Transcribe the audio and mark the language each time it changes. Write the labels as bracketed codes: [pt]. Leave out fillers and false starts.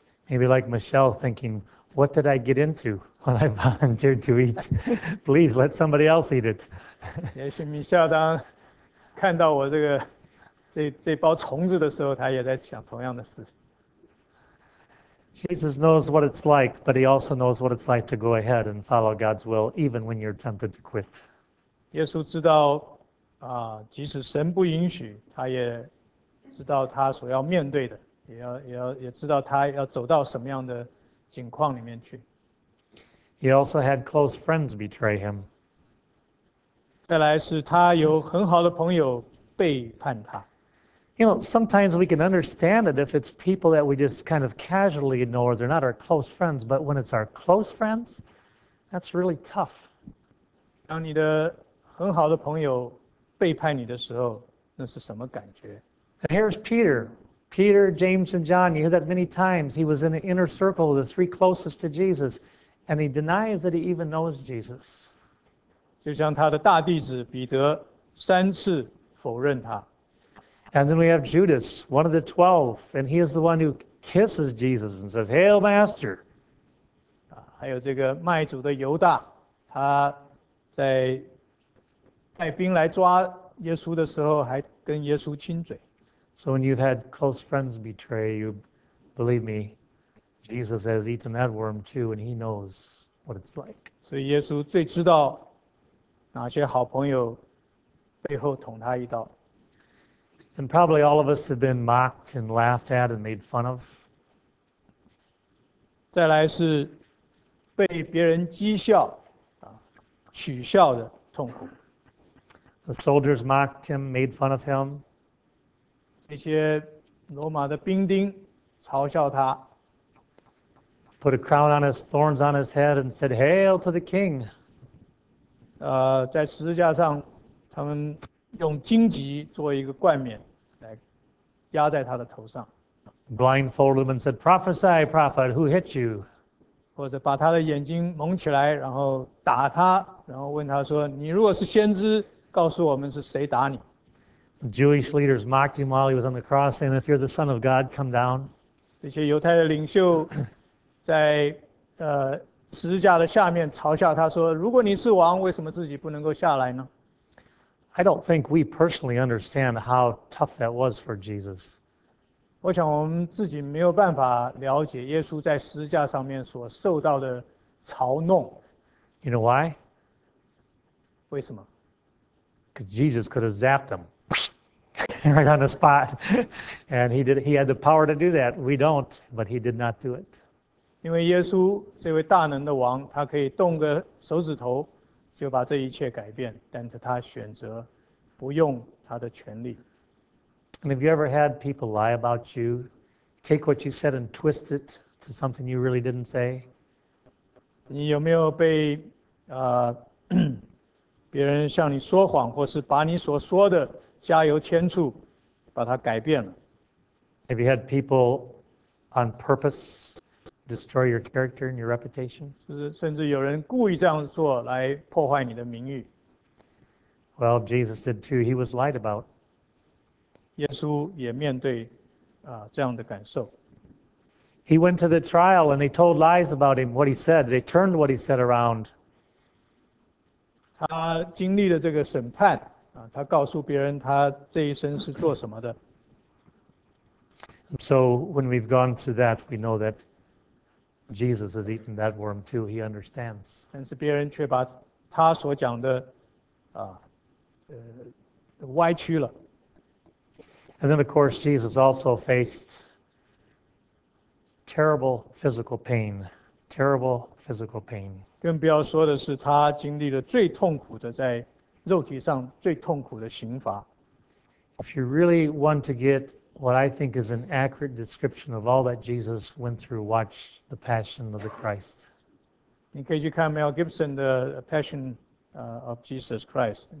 [en] Maybe like Michelle thinking, what did I get into when I volunteered to eat? Please let somebody else eat it. [zh] 也许米夏当看到我这包虫子的时候，他也在想同样的事。 [en] Jesus knows what it's like, but he also knows what it's like to go ahead and follow God's will, even when you're tempted to quit. [zh] 耶稣知道。即使神不允许，他也知道他所要面对的，也知道他要走到什么样的境况里面去。 [en] He also had close friends betray him. [zh] 再来是他有很好的朋友背叛他。 [en] You know, sometimes we can understand it if it's people that we just kind of casually ignore, they're not our close friends, but when it's our close friends, that's really tough. [zh] 当你的很好的朋友背叛你的时候，那是什么感觉？ [en] And here's Peter. Peter, James, and John. You hear that many times. He was in the inner circle, the three closest to Jesus. And he denies that he even knows Jesus. [zh] 就像他的大弟子彼得三次否认他。 [en] And then we have Judas, one of the 12. And he is the one who kisses Jesus and says, Hail, Master. [zh] 还有这个卖主的犹大。他在带兵来抓耶稣的时候还跟耶稣亲嘴。 [en] So when you've had close friends betray you, believe me, Jesus has eaten that worm too, and he knows what it's like. [zh] 所以耶稣最知道哪些好朋友背后捅他一刀。 [en] And probably all of us have been mocked and laughed at and made fun of. [zh] 再来是被别人讥笑、取笑的痛苦。 [en] The soldiers mocked him, made fun of him. [zh] 那些罗马的兵丁嘲笑他。 [en] Put a crown on his thorns on his head and said, "Hail to the King." [zh] 在十字架上，他们用荆棘做一个冠冕，来压在他的头上。 [en] Blindfold him and said, "Prophesy, prophet, who hit you?" [zh] 或者把他的眼睛蒙起来，然后打他，然后问他说：“你如果是先知，告诉我们是谁打你？” [en] The Jewish leaders mocked him while he was on the cross, saying, "If you're the Son of God, come down." [zh] 这些犹太的领袖。在十字架的下面嘲笑他说：“如果你是王，为什么自己不能够下来呢？” [en] I don't think we personally understand how tough that was for Jesus. [zh] 我想我们自己没有办法了解耶稣在十字架上面所受到的嘲弄。 [en] You know why? [zh] 为什么？ [en] Because Jesus could have zapped him right on the spot, and he did. He had the power to do that. We don't, but he did not do it. [zh] 因为耶稣这位大能的王，他可以动个手指头就把这一切改变，但是他选择不用他的权力。 [en] And have you ever had people lie about you, take what you said and twist it to something you really didn't say? [zh] 你有没有被别人向你说谎，或是把你所说的加油添醋，把它改变了？ [en] Have you had people on purpose? Destroy your character and your reputation. [zh] 甚至有人故意这样做来破坏你的名誉。 [en] Well, Jesus did too. He was lied about. [zh] 耶稣也面对这样的感受。 [en] He went to the trial and they told lies about him. What he said, they turned what he said around. [zh] 他经历了这个审判他告诉别人他这一生是做什么的。 [en] So when we've gone through that, we know that. Jesus has eaten that worm too, he understands. [zh] 但是别人却把他所讲的歪曲了。 [en] And then of course Jesus also faced terrible physical pain, terrible physical pain. [zh] 更不要说的是他经历了最痛苦的在肉体上最痛苦的刑罚。 [en] If you really want to get... What I think is an accurate description of all that Jesus went through, watch the Passion of the Christ. You can watch Mel Gibson's The Passion of Jesus Christ.